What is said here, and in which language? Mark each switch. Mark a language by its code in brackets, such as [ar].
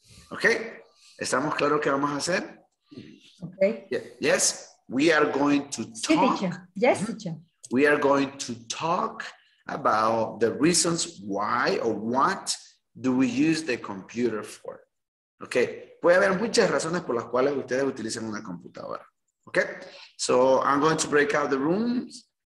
[es] Okay, ¿estamos claros qué vamos a hacer? [en] Okay. Yes, we are going to talk. Sí, teacher. Yes, teacher. We are going to talk about the reasons why or what do we use the computer for. Okay. [es] Puede haber muchas razones por las cuales ustedes utilizan una computadora. [en] Okay. So I'm going to break out the rooms.